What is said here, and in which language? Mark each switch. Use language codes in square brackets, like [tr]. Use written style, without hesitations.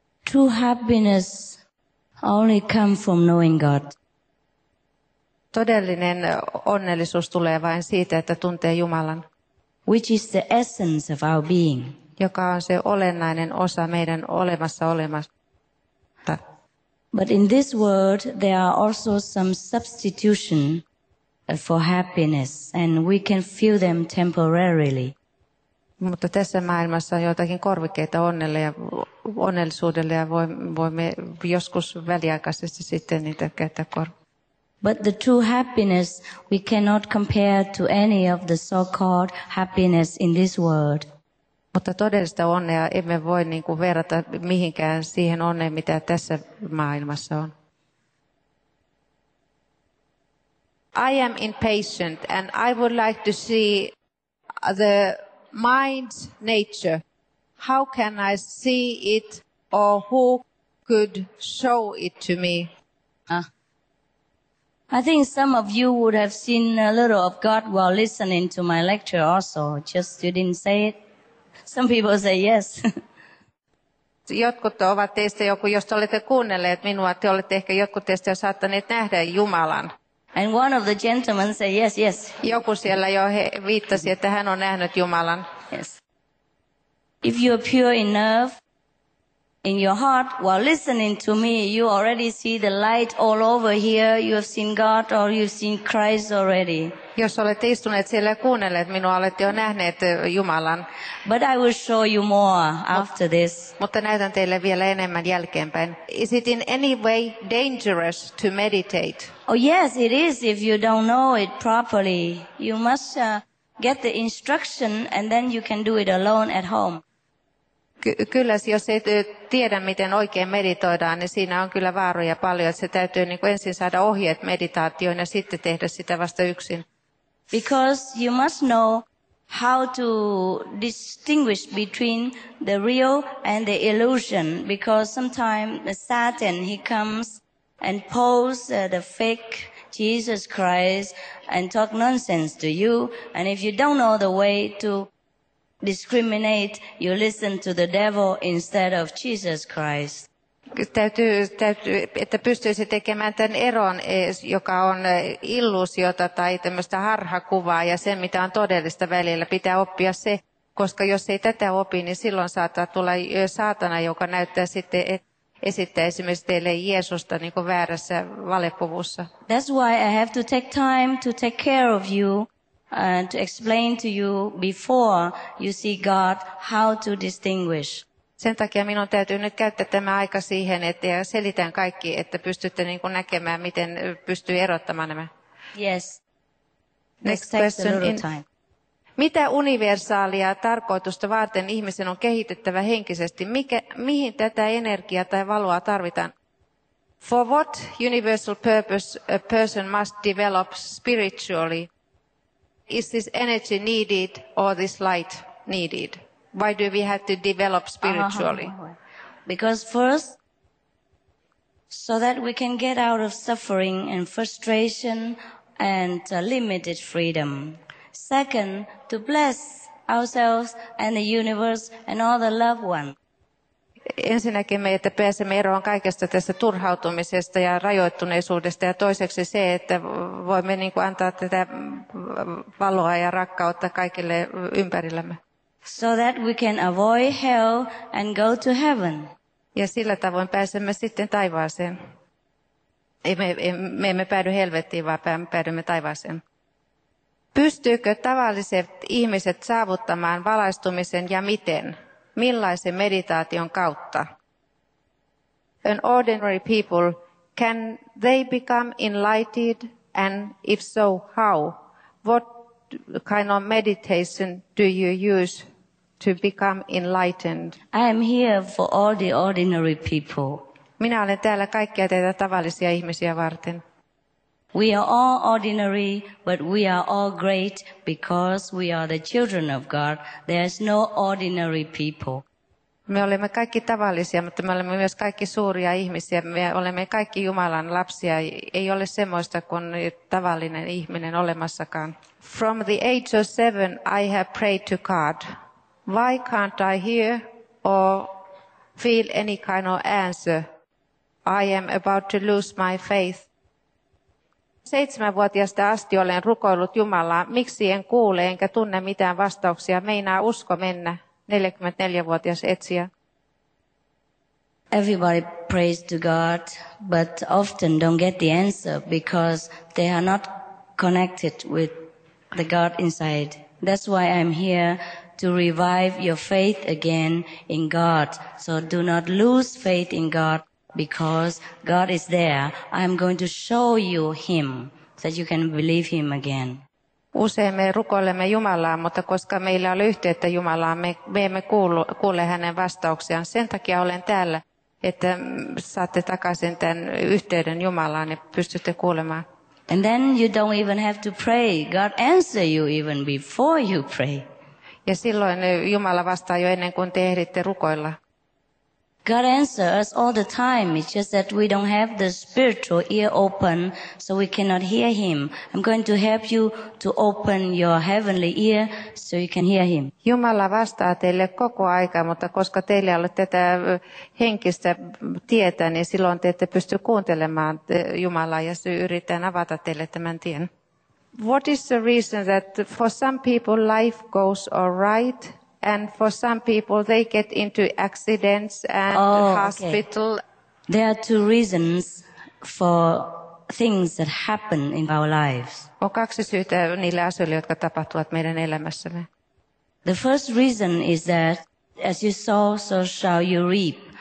[en] True happiness only comes from knowing God. [fi] Todellinen onnellisuus tulee vain siitä, että tuntee Jumalan. [en] which is the essence of our being. [fi] Joka on se olennainen osa meidän olemassa olemasta. [en] But in this world there are also some substitution for happiness and we can feel them temporarily. [fi] Mutta tässä maailmassa on joitakin korvikkeita onnelle ja onnellisuudelle ja voimme joskus väliaikaisesti sitten niitä käyttää [en] But the true happiness we cannot compare to any of the so-called happiness in this world. [fi] Mutta todellista onnea emme voi niinku verrata mihinkään siihen onneen, mitä tässä maailmassa on. [en] I am impatient and I would like to see the mind's nature. How can I see it or who could show it to me? I think some of you would have seen a little of God while listening to my lecture also. Just you didn't say it. Some people say yes. [fi] Jotkut ovat teistä joku, jos te olette kuunnelleet minua, te olette ehkä jotkut teistä jo saattaneet nähdä Jumalan. [en] And one of the gentlemen said yes, yes. [fi] Joku siellä jo viittasi, että hän on nähnyt Jumalan. [en] Yes. If you are pure enough in your heart while listening to me, you already see the light all over here. You have seen God or you've seen Christ already. [fi] Jos olette istuneet siellä ja kuunnelleet minua, olette jo nähneet Jumalan. [en] But I will show you more after this. [fi] Mutta näytän teille vielä enemmän jälkeenpäin. [en] Is it in any way dangerous to meditate? Oh yes, it is if you don't know it properly. You must get the instruction and then you can do it alone at home. [fi] Kyllä, jos et tiedä, miten oikein meditoidaan, niin siinä on kyllä vaaroja paljon. Että se täytyy niin kuin ensin saada ohjeet meditaatioon ja sitten tehdä sitä vasta yksin. [en] Because you must know how to distinguish between the real and the illusion. Because sometimes Satan, he comes and pose the fake Jesus Christ and talk nonsense to you. And if you don't know the way to discriminate, you listen to the devil instead of Jesus Christ. [fi] Täytyy, että pystyisi tekemään tämän eron, joka on illuusiota tai tämmöistä harhakuvaa ja sen, mitä on todellista välillä. Pitää oppia se, koska jos ei tätä opi, niin silloin saattaa tulla saatana, joka näyttää sitten, esittää esimerkiksi teille Jeesusta niin kuin väärässä valepuvussa. [en] That's why I have to take time to take care of you and to explain to you before you see God how to distinguish. [fi] Sen takia minun täytyy nyt käyttää tämä aika siihen, että selitän kaikki, että pystytte niin kuin näkemään, miten pystyy erottamaan nämä. [en] Yes. Next question. [fi] Mitä universaalia tarkoitusta varten ihmisen on kehitettävä henkisesti? Mihin tätä energiaa tai valoa tarvitaan? [en] For what universal purpose a person must develop spiritually? Is this energy needed or this light needed? Why do we have to develop spiritually? Because first, so that we can get out of suffering and frustration and limited freedom. Second, to bless ourselves and the universe and all the loved ones. [fi] Ensinnäkin me, että pääsemme eroon kaikesta tästä turhautumisesta ja rajoittuneisuudesta ja toiseksi se, että voimme niin kuin antaa tätä valoa ja rakkautta kaikille ympärillämme. [en] So that we can avoid hell and go to heaven. [fi] Ja sillä tavoin pääsemme sitten taivaaseen. Me emme päädy helvettiin, vaan päädymme taivaaseen. Pystyykö tavalliset ihmiset saavuttamaan valaistumisen ja miten? Millaisen meditaation kautta? [en] An ordinary people, can they become enlightened? And if so, how? What kind of meditation do you use to become enlightened? I am here for all the ordinary people. [fi] Minä olen täällä kaikkia teitä tavallisia ihmisiä varten. [en] We are all ordinary, but we are all great because we are the children of God. There is no ordinary people. [fi] Me olemme kaikki tavallisia, mutta me olemme myös kaikki suuria ihmisiä. Me olemme kaikki Jumalan lapsia. Ei ole semmoista kuin tavallinen ihminen olemassakaan. [en] From the age of 7, I have prayed to God. Why can't I hear or feel any kind of answer? I am about to lose my faith. [fi] 7-vuotiaasta asti olen rukoillut Jumalaa, miksi en kuule enkä tunne mitään vastauksia, meinaa usko mennä, 44-vuotias etsiä. [en] Everybody prays to God, but often don't get the answer because they are not connected with the God inside. That's why I'm here to revive your faith again in God. So do not lose faith in God because God is there. I'm going to show you Him so that you can believe Him again. [fi] Usein me rukoilemme Jumalaa, mutta koska meillä on yhteyttä Jumalaan, me emme kuule hänen vastauksiaan. Sen takia olen täällä, että saatte takaisin tämän yhteyden Jumalaan ja pystytte kuulemaan. [en] And then you don't even have to pray. God answers you even before you pray. [fi] Ja silloin Jumala vastaa jo ennen kuin te ehditte rukoilla. [en] God answers us all the time. It's just that we don't have the spiritual ear open, so we cannot hear Him. I'm going to help you to open your heavenly ear, so you can hear Him. [fi] Jumala vastaa teille koko aika, mutta koska teillä ei ole tätä henkistä tietä, niin silloin te ette pysty kuuntelemaan Jumalaa, ja yritän avata teille tämän tien. [en] What is the reason that for some people life goes all right? And for some people, they get into accidents and hospital. Okay. There are two reasons for things that happen in our lives. [fi] On kaksi syytä niille asioille, jotka tapahtuvat meidän elämässämme. [en] The first reason is that, as you sow, so shall you reap.